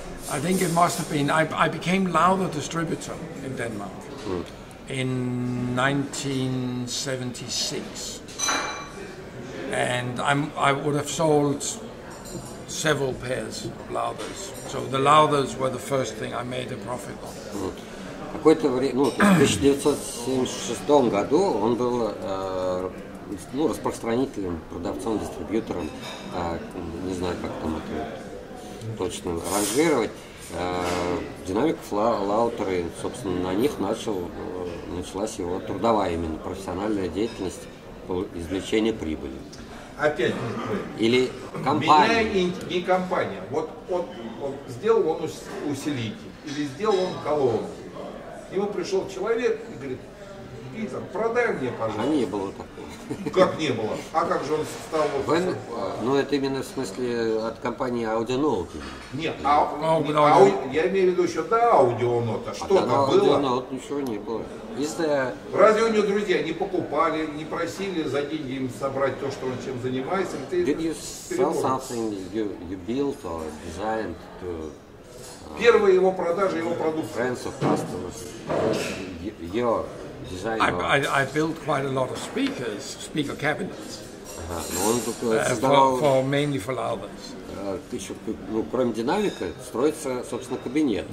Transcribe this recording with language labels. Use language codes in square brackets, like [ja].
[en] I think it must have been, I became Lauder distributor in Denmark in 1976. And I would have sold several pairs of Lauders. So the Lauders were the first thing I made a profit on. [ru] Какое-то время, ну, в 1976 году он был ну, распространителем, продавцом, дистрибьютором, не знаю, как там это точно ранжировать, динамиков Лаутера, собственно, на них началась его трудовая именно профессиональная деятельность, извлечение прибыли. Опять или компания. Меня не компания. Вот он сделал он усилитель, или сделал он колонку. Ему пришел человек и говорит: Питер, продай мне, пожалуйста. А не было такого. Как не было? А как же он стал вот... Ну, это именно в смысле от компании Audionaut. Нет, я имею в виду еще до Audionaut-а. Что-то было. Audionaut ничего не было. Разве у него друзья не покупали, не просили за деньги им собрать то, что он чем занимается? [en] Did you sell something you built or designed to... [ru] Первая его продажа его продукции. [en] Friends of customers, your design. I built quite a lot of speaker cabinets. For Lauvers. [ru] Еще, ну, кроме динамика, строится, собственно, кабинет.